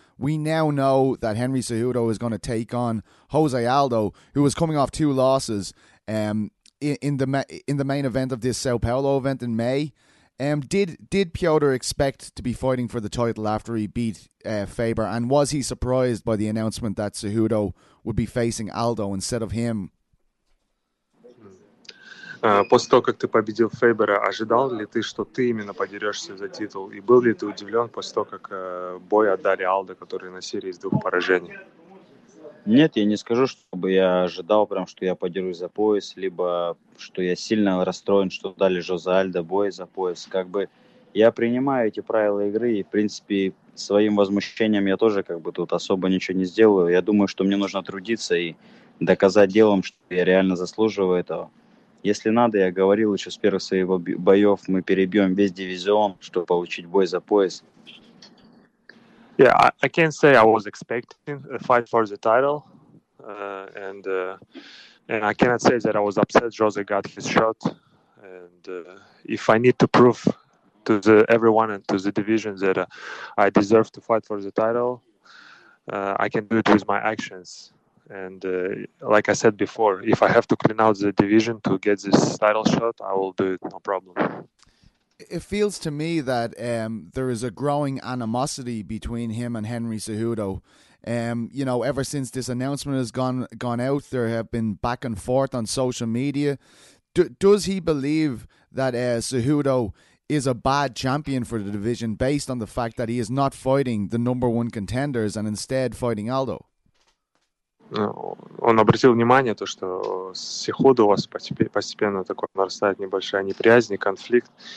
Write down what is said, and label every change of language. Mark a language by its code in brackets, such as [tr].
[en] We now know that Henry Cejudo is going to take on Jose Aldo, who was coming off two losses in the main event of this Sao Paulo event in May. Did Piotr expect to be fighting for the title after he beat Faber? And was he surprised by the announcement that Cejudo would be facing Aldo instead of him? [ru] После того, как ты победил Фейбера, ожидал ли ты, что ты именно подерешься за титул? И был ли ты удивлен после того, как бой отдали Алдо, который на серии из двух поражений? Нет, я не скажу, чтобы я ожидал прям, что я подерусь за пояс, либо что я сильно расстроен, что дали Жозе Альдо бой за пояс. Как бы я принимаю эти правила игры, и, в принципе, своим возмущением я тоже как бы тут особо ничего не сделаю. Я думаю, что мне нужно трудиться и доказать делом, что я реально заслуживаю этого. Если надо, я говорил еще с первых своих боев, мы перебьем весь дивизион, чтобы получить бой за пояс. [en] Yeah, I can't say I was expecting a fight for the title, and I cannot say that I was upset Jose got his shot. And if I need to prove to the everyone and to the division that I deserve to fight for the title, I can do it with my actions. And like I said before, if I have to clean out the division to get this title shot, I will do it, no problem. It feels to me that there is a growing animosity between him and Henry Cejudo. You know, ever since this announcement has gone out, there have been back and forth on social media. Does he believe that Cejudo is a bad champion for the division based on the fact that he is not fighting the number one contenders and instead fighting Aldo? [ru] Он обратил внимание, то, что с Сихудо у вас постепенно такой нарастает небольшая неприязнь и конфликт.